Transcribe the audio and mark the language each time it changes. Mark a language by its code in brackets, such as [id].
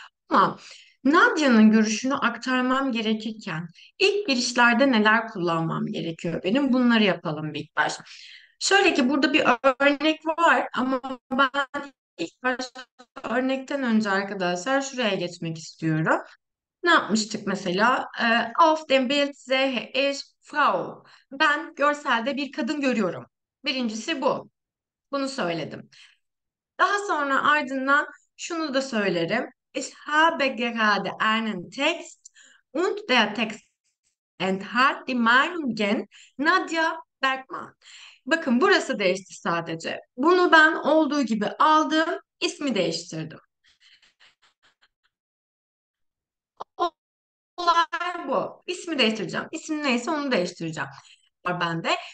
[tr] Ama Nadia'nın görüşünü aktarmam gerekirken ilk girişlerde neler kullanmam gerekiyor benim? Bunları yapalım ilk başta. Şöyle ki burada bir örnek var ama ben İlk başta örnekten önce arkadaşlar şuraya geçmek istiyorum. Ne yapmıştık mesela? [de] Auf dem Bild sehe ich Frau. [tr] Ben görselde bir kadın görüyorum. Birincisi bu. Bunu söyledim. Daha sonra ardından şunu da söylerim. [de] Ich habe gerade einen Text und der Text enthält die Meinungen Nadia Bergman. [tr] Bakın burası değişti sadece. Bunu ben olduğu gibi aldım, ismi değiştirdim. Bu. İsmi değiştireceğim. İsim neyse onu değiştireceğim. Var bende.